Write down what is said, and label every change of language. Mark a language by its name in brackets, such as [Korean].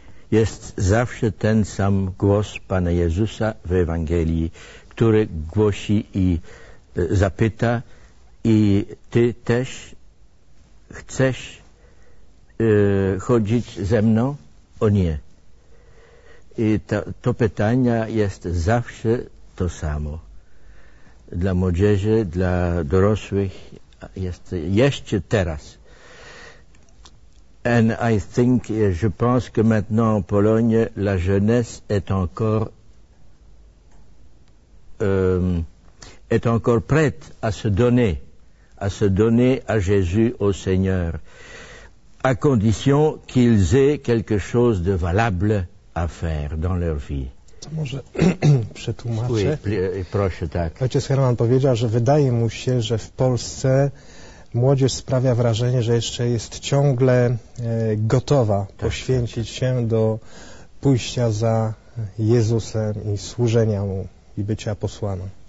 [Polish] Jest zawsze ten sam głos Pana Jezusa w Ewangelii, który głosi i zapyta, i ty też chcesz chodzić ze mną, o nie? I to pytanie jest zawsze to samo. Dla młodzieży, dla dorosłych, jest jeszcze teraz. [English] And I think, [French] je pense que maintenant en Pologne, la jeunesse est encore prête à se donner à Jésus, au Seigneur, à condition qu'ils aient quelque chose de valable à faire dans leur vie. [Polish] To może przetłumaczę. Proszę, tak. Ojciec Herman powiedział, że wydaje mu się, że w Polsce młodzież sprawia wrażenie, że jeszcze jest ciągle gotowa poświęcić się do pójścia za Jezusem i służenia Mu i bycia posłaną.